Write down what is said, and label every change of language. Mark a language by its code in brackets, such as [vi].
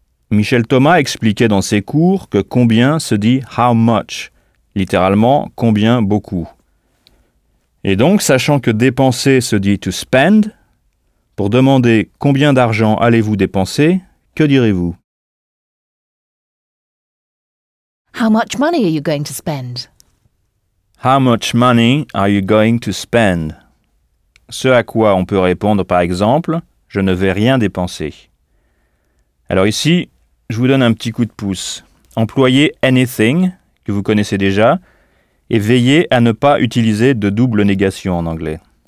[fr] Michel Thomas expliquait dans ses cours que « combien » se dit « [en] how much [fr] », littéralement « combien beaucoup ». Et donc, sachant que « dépenser » se dit « [en] to spend [fr] », pour demander « combien d'argent allez-vous dépenser », que direz-vous ? [en] How much money are you going to spend? How much money are you going to spend? [fr] Ce à quoi on peut répondre par exemple, je ne vais rien dépenser. Alors ici, je vous donne un petit coup de pouce. Employez anything, que vous connaissez déjà, et veillez à ne pas utiliser de double négation en anglais.